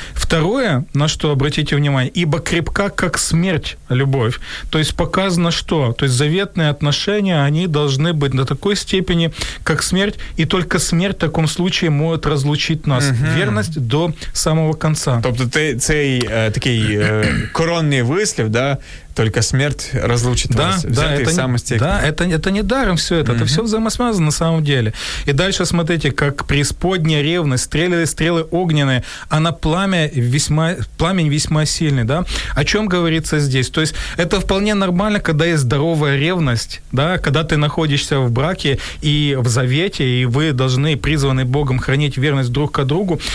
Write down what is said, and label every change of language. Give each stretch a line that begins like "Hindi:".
Russian: Второе, на что обратите внимание, ибо крепка, как смерть, любовь. То есть показано, что? То есть заветные отношения, они должны быть на такой степени, как смерть. И только смерть в таком случае может разлучить нас. Угу. Верность до самого конца.
Ukrainian: Тобто цей такий коронний вислів, да?
Russian: Только смерть разлучит да, вас. Да, это, самостей, да, это не даром все это. Угу. Это все взаимосвязано на самом деле. И дальше смотрите, как преисподняя ревность, стрелы огненные, она пламень весьма сильный. Да? О чем говорится здесь? То есть это вполне нормально, когда есть здоровая ревность, да, когда ты находишься в браке и в завете, и вы должны, призваны Богом, хранить верность друг к другу.